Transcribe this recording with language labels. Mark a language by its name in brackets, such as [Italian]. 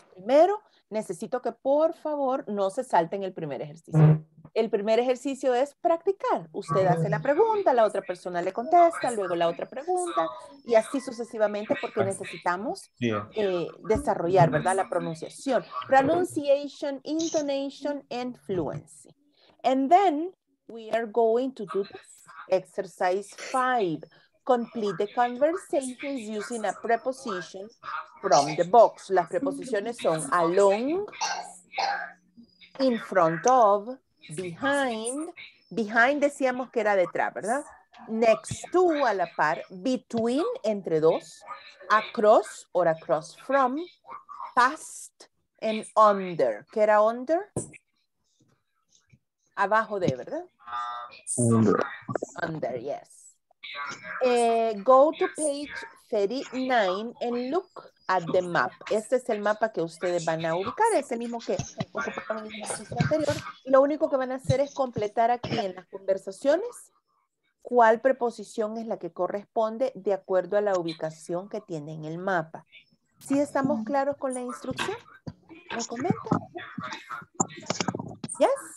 [Spanish] Primero, necesito que por favor no se salten el primer ejercicio. El primer ejercicio es practicar. Usted hace la pregunta, la otra persona le contesta, luego la otra pregunta y así sucesivamente porque necesitamos desarrollar, ¿verdad? La pronunciación. [English] Pronunciation, intonation, and fluency. And then we are going to do this. Exercise 5. Complete the conversations using a preposition from the box. [Spanish] Las preposiciones son along, in front of, behind. Behind decíamos que era detrás, ¿verdad? Next to, a la par, between, entre dos, across or across from, past and under. ¿Qué era under? Abajo de, ¿verdad? [English] Under, yes. Go to page 39 and look at the map. [Spanish] Este es el mapa que ustedes van a ubicar, es el mismo que ocuparon en el ejercicio anterior. Lo único que van a hacer es completar aquí en las conversaciones cuál preposición es la que corresponde de acuerdo a la ubicación que tiene en el mapa. ¿Sí estamos claros con la instrucción? ¿Me comentan? Yes.